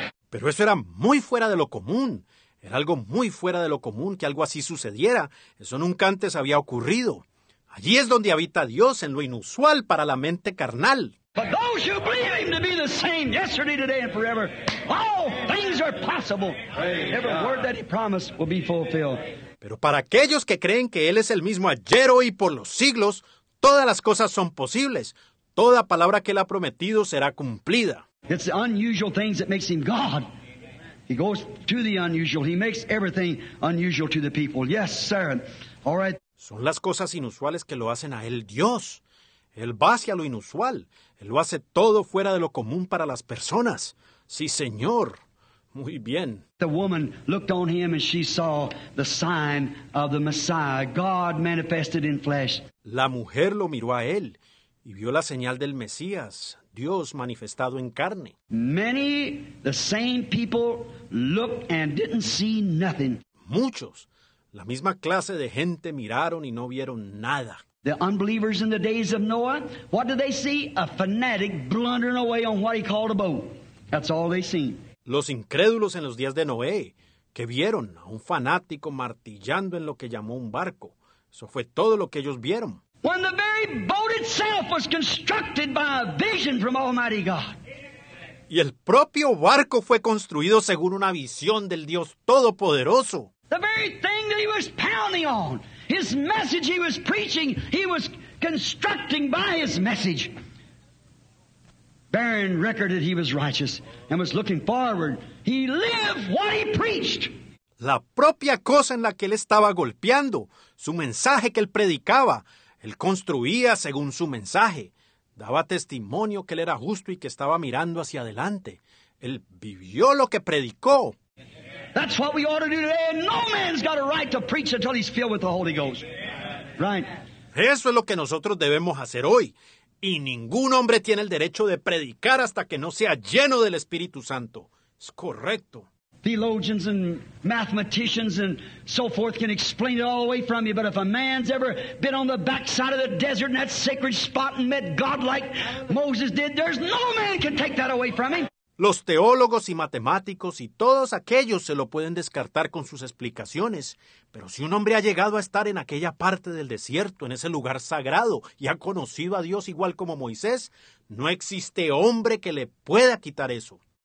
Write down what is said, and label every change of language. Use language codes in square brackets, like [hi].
[es] Pero eso era muy fuera de lo común. Era algo muy fuera de lo común que algo así sucediera. Eso nunca antes había ocurrido. Allí es donde habita Dios, en lo inusual para la mente carnal. [en] But those who believe Him to be the same yesterday, today, and forever, all things are possible. Every word that He promised will be fulfilled. [es] Pero para aquellos que creen que Él es el mismo ayer, hoy y por los siglos, todas las cosas son posibles. Toda palabra que Él ha prometido será cumplida. [en] It's the unusual things that makes Him God. He goes to the unusual. He makes everything unusual to the people. Yes, sir. All right. [es] Son las cosas inusuales que lo hacen a Él Dios. Él va hacia lo inusual. Él lo hace todo fuera de lo común para las personas. Sí, Señor. Muy bien. [en] The woman looked on Him and she saw the sign of the Messiah, God manifested in flesh. [es] La mujer lo miró a Él y vio la señal del Mesías, Dios manifestado en carne. [en] Many, the same people, looked and didn't see nothing. [es] Muchos, la misma clase de gente miraron y no vieron nada. [en] The unbelievers in the days of Noah, what did they see? A fanatic blundering away on what he called a boat. That's all they seen. [es] Los incrédulos en los días de Noé, que vieron a un fanático martillando en lo que llamó un barco. Eso fue todo lo que ellos vieron. [en] When the very boat itself was constructed by a vision from Almighty God. [es] Y el propio barco fue construido según una visión del Dios Todopoderoso. [en] The very thing that he was pounding on, his message he was preaching, he was constructing by his message. Bearing record that he was righteous and was looking forward. He lived what he preached. [es] La propia cosa en la que él estaba golpeando, su mensaje que él predicaba, él construía según su mensaje. Daba testimonio que él era justo y que estaba mirando hacia adelante. Él vivió lo que predicó. [en] That's what we ought to do today. No man's got a right to preach until he's filled with the Holy Ghost. Right? [es] Eso es lo que nosotros debemos hacer hoy. Y ningún hombre tiene el derecho de predicar hasta que no sea lleno del Espíritu Santo. Es correcto. [en] Theologians and mathematicians and so forth can explain it all away from you, but if a man's ever been on the backside of the desert in that sacred spot and met God like Moses did, there's no man can take that away from him. [es] Los teólogos y matemáticos y todos aquellos se lo pueden descartar con sus explicaciones. Pero si un hombre ha llegado a estar en aquella parte del desierto, en ese lugar sagrado, y ha conocido a Dios igual como Moisés, no existe hombre que le pueda quitar eso.